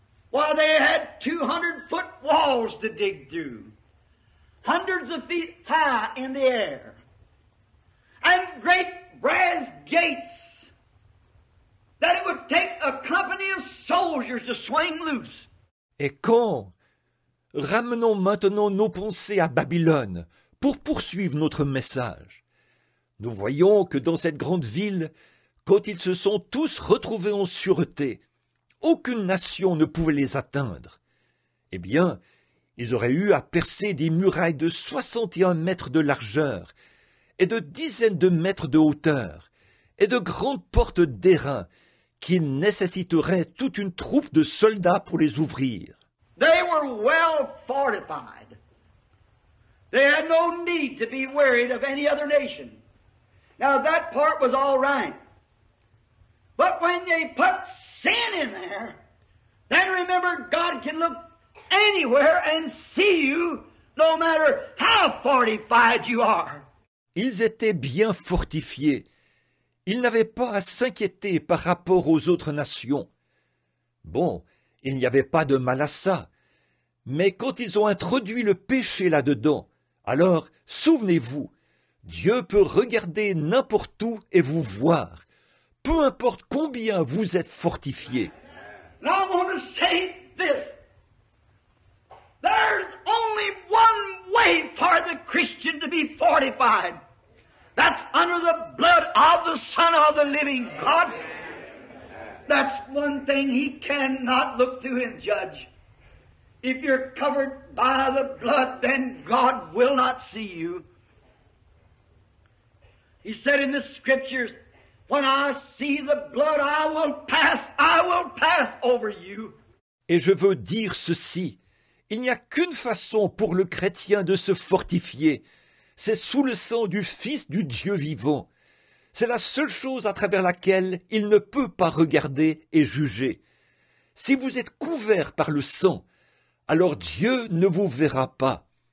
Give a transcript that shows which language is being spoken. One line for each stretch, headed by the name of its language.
English: While they had 200-foot walls to dig through, hundreds of feet high in the air, and great brass gates that it would take a company of soldiers to swing loose.
French: Et quand, ramenons maintenant nos pensées à Babylone pour poursuivre notre message. Nous voyons que dans cette grande ville, quand ils se sont tous retrouvés en sûreté, aucune nation ne pouvait les atteindre. Eh bien, ils auraient eu à percer des murailles de 61 mètres de largeur et de dizaines de mètres de hauteur et de grandes portes d'airain qui nécessiteraient toute une troupe de soldats pour les ouvrir.
English: They were well fortified. They had no need to be worried of any other nation. Now that part was all right. But when they put sin in there, then remember God can look anywhere and see you, no matter how fortified you are.
French: Ils étaient bien fortifiés. Ils n'avaient pas à s'inquiéter par rapport aux autres nations. Bon, il n'y avait pas de mal à ça. Mais quand ils ont introduit le péché là-dedans, alors souvenez-vous, Dieu peut regarder n'importe où et vous voir, peu importe combien vous êtes fortifié.
English: Now I want to say this. There's only one way for the Christian to be fortified. That's under the blood of the Son of the living God. That's one thing He cannot look through and judge. If you're covered by the blood, then God will not see you. He said in the scriptures, when I see the blood, I will pass over you.
French: Et je veux dire ceci, il n'y a qu'une façon pour le chrétien de se fortifier, c'est sous le sang du Fils du Dieu vivant. C'est la seule chose à travers laquelle il ne peut pas regarder et juger. Si vous êtes couvert par le sang, alors Dieu ne vous verra pas.